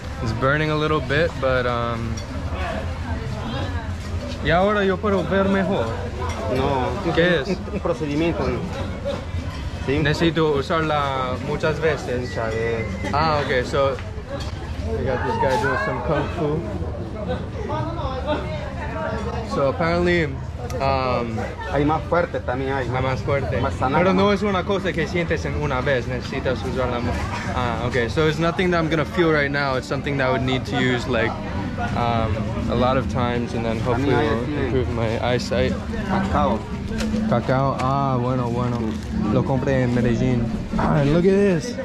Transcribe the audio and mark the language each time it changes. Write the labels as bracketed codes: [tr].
[en] It's burning a little bit, but [es] ¿y ahora yo puedo ver mejor? No. ¿Qué es? Un procedimiento. Sí. Necesito usarla muchas veces. Muchas veces. [en] Ah, okay, so I got this guy doing some kung fu. So apparently, [es] pero no es una cosa que sientes en una vez. Necesitas usar la [en] okay, so it's nothing that I'm gonna feel right now. It's something that I would need to use like a lot of times, and then hopefully will improve my eyesight. [es] Cacao. Ah, bueno. Lo compré en Medellín. [en] Ah, and look at this.